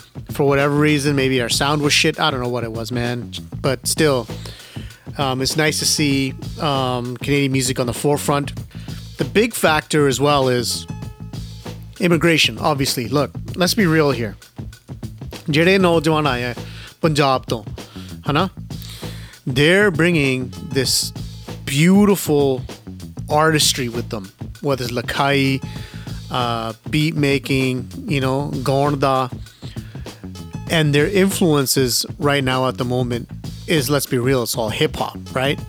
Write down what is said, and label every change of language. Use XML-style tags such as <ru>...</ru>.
<en>For whatever reason, maybe our sound was shit. I don't know what it was, man. But still, it's nice to see Canadian music on the forefront. The big factor as well is immigration, obviously. Look, let's be real here.</en> <pa>ਜੇੜੇ ਨੌਜਵਾਨ ਆਏ ਹੈ ਪੰਜਾਬ ਤੋਂ, ਹੈ ਨਾ?</pa> <en>They're bringing this beautiful artistry with them, whether it's lakai, beat making, you know, gonda. And their influences right now at the moment is, let's be real, it's all hip hop, right?</en>